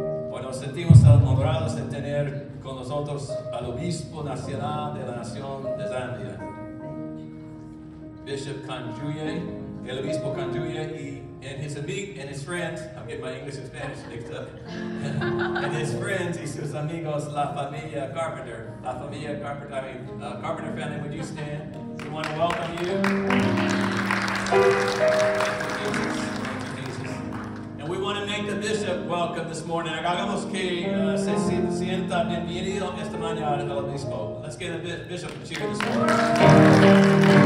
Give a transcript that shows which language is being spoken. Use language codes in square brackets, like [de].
[es] Hoy nos sentimos honrados de tener con nosotros al obispo nacional de la nación de Zambia, Bishop Kanjuye, el obispo Kanjuye, [en] and his friends, [es] y sus amigos, la familia Carpenter family. [en] Would you stand? We want to welcome you. Thank you, Jesus. And we want to make the bishop welcome this morning. [es] Hagamos que se sienta bienvenido esta mañana el obispo. [en] Let's get a bishop to cheer this morning.